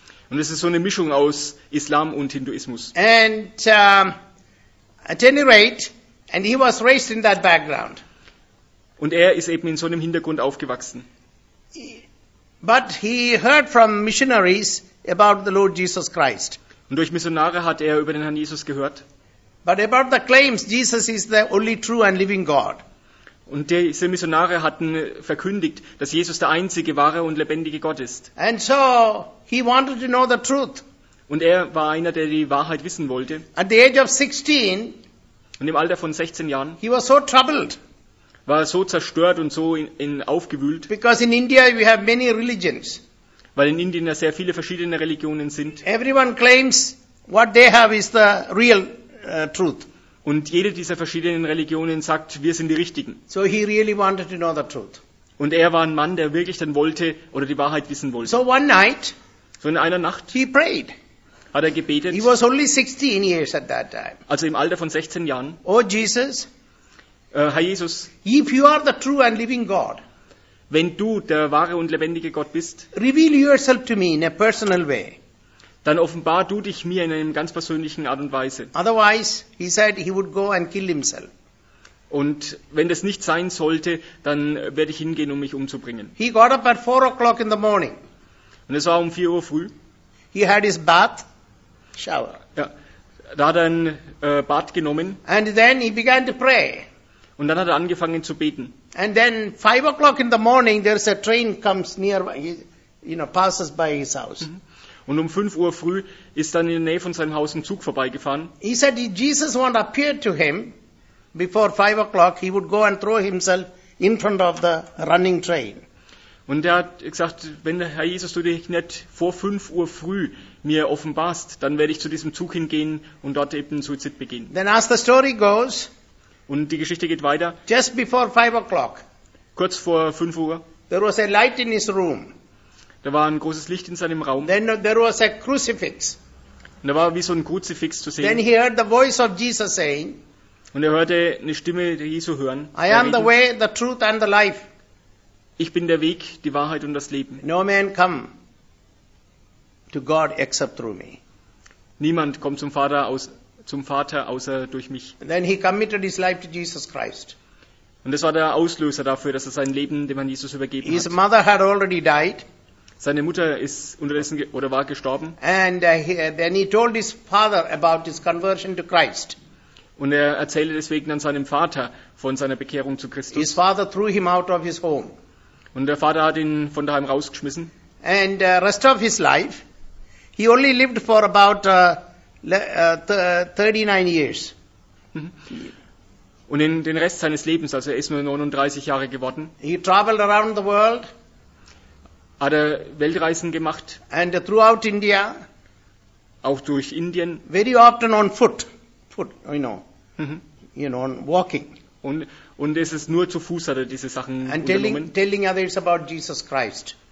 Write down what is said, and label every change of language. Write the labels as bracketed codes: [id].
[de] Und es ist so eine Mischung aus Islam und Hinduismus. [en] And at any rate, and he was raised in that background. [de] Und er ist eben in so einem Hintergrund aufgewachsen. [en] But he heard from missionaries about the Lord Jesus Christ. [de] Und durch Missionare hat er über den Herrn Jesus gehört. [en] But about the claims, Jesus is the only true and living God. [de] Und diese Missionare hatten verkündigt, dass Jesus der einzige wahre und lebendige Gott ist. [en] And so he wanted to know the truth. [de] Und er war einer, der die Wahrheit wissen wollte. [en] At the age of 16, [de] und im Alter von 16 Jahren, [en] he was so troubled, [de] war er so zerstört und so in aufgewühlt. [en] Because in India we have many religions. [de] Weil in Indien ja sehr viele verschiedene Religionen sind. [en] Everyone claims what they have is the real truth. [de] Und jede dieser verschiedenen Religionen sagt, wir sind die Richtigen. [en] So he really wanted to know the truth. [de] Und er war ein Mann, der wirklich dann wollte oder die Wahrheit wissen wollte. [en] So one night, [de] so in einer Nacht, [en] he prayed. [de] Hat er gebetet. [en] He was only 16 years at that time. [de] Also im Alter von 16 Jahren. [en] Oh Jesus, [de] Herr Jesus, [en] if you are the true and living God, [de] wenn du der wahre und lebendige Gott bist, [en] reveal yourself to me in a personal way. [de] Dann offenbar du dich mir in einem ganz persönlichen Art und Weise. [en] Otherwise, he said he would go and kill himself. [de] Und wenn das nicht sein sollte, dann werde ich hingehen, um mich umzubringen. [en] He got up at 4 o'clock in the morning. [de] Und es war um 4 Uhr früh. [en] He had his bath, shower. [de] Ja, da hat er ein Bad genommen. [en] And then he began to pray. [de] Und dann hat er angefangen zu beten. [en] And then 5 o'clock in the morning, there's a train comes near, you know, passes by his house. Mm-hmm. [de] Und um 5 Uhr früh ist dann in der Nähe von seinem Haus ein Zug vorbeigefahren. [en] He said if Jesus won't appear to him before 5 o'clock, he would go and throw himself in front of the running train. [de] Und er hat gesagt, wenn der Herr Jesus, du dich nicht vor 5 Uhr früh mir offenbarst, dann werde ich zu diesem Zug hingehen und dort eben Suizid begehen. [en] Then as the story goes, [de] und die Geschichte geht weiter. [en] Just before 5 o'clock, [de] kurz vor 5 Uhr, [en] there was a light in his room. [de] Da war ein großes Licht in seinem Raum. [en] Then there was a crucifix. [de] Und da war wie so ein Kruzifix zu sehen. [en] Then he heard the voice of Jesus saying, [de] und er hörte eine Stimme der Jesu hören. [en] I am the way, the truth and the life. [de] Ich bin der Weg, die Wahrheit und das Leben. [en] No man come to God except through me. [de] Niemand kommt zum Vater außer durch mich. [en] Then he committed his life to Jesus Christ. [de] Und das war der Auslöser dafür, dass er sein Leben dem Herrn Jesus übergeben [en] his His mother had already died. [de] Seine Mutter ist unterdessen oder war gestorben. [en] And then he told his father about his conversion to Christ. [de] Und er erzählte deswegen dann seinem Vater von seiner Bekehrung zu Christus. [en] His father threw him out of his home. [de] Und der Vater hat ihn von daheim rausgeschmissen. [en] And the rest of his life, he only lived for about 39 years. [de] Und in den Rest seines Lebens, also er ist nur 39 Jahre geworden. [en] He traveled around the world. [de] Hat er Weltreisen gemacht. [en] And throughout India. [de] Auch durch Indien. [en] Very often on foot, you know. Mm-hmm. You know, on walking. [de] Und es ist nur zu Fuß hat er diese Sachen and unternommen. [en] And telling others about Jesus Christ.